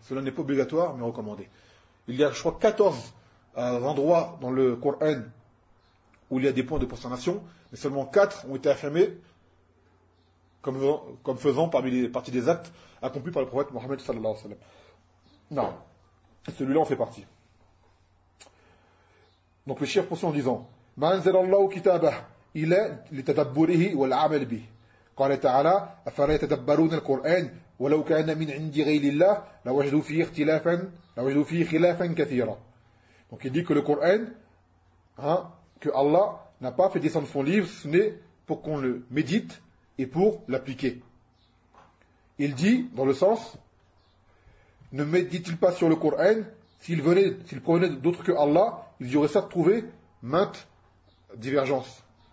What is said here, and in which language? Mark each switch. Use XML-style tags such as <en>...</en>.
<fr>Cela n'est pas obligatoire, mais recommandé. Il y a, je crois, 14 endroits dans le Coran où il y a des points de prosternation, mais seulement 4 ont été affirmés comme faisant parmi les parties des actes accomplis par le prophète Mohammed sallallahu alayhi wa sallam. Non. Celui-là en fait partie. Donc le shir poursuit en disant</fr> <ar>« Ma anzalallahu kitabah ila li tadabburihi wal amal bih » قال تعالى أفلا يتدبرون القرآن ولو كان من عند غير الله لوجدوا فيه اختلافا لوجدوا فيه خلافا كثيرا.</ar> <fr>Donc il dit que le Coran, hein, que Allah n'a pas fait descendre son livre, ce n'est pour qu'on le médite et pour l'appliquer. Il dit dans le sens, ne médite-t-il pas sur le Coran, s'il provenait d'autre que Allah, il y aurait certes trouvé maintes divergences.</fr>